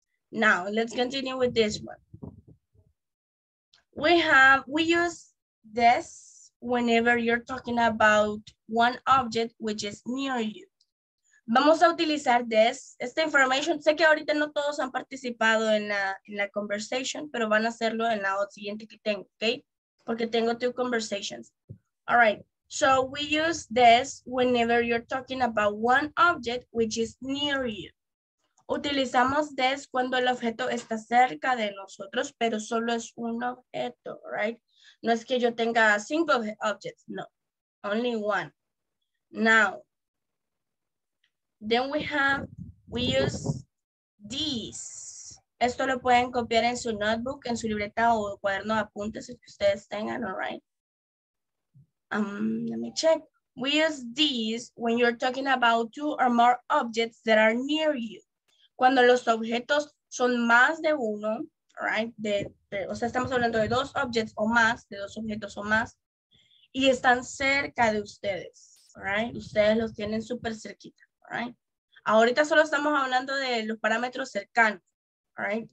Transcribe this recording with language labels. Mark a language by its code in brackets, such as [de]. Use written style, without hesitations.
[en] Now, let's continue with this one. We use this whenever you're talking about one object which is near you. [es] Vamos a utilizar this, esta información. Sé que ahorita no todos han participado en la conversation, pero van a hacerlo en la siguiente que tengo, okay? Porque tengo [en] two conversations. All right, so we use this whenever you're talking about one object which is near you. [es] Utilizamos this cuando el objeto está cerca de nosotros, pero solo es un objeto, right? No es que yo tenga cinco objects, no. [en] Only one. Now, then we use this. [es] Esto lo pueden copiar en su notebook, en su libreta o cuaderno de apuntes que ustedes tengan, all right? [en] Let me check. We use this when you're talking about two or more objects that are near you. [es] Cuando los objetos son más de uno, right? O sea, estamos hablando de dos objects o más, de dos objetos o más, y están cerca de ustedes, right? Ustedes los tienen súper cerquita, right? Ahorita solo estamos hablando de los parámetros cercanos, right?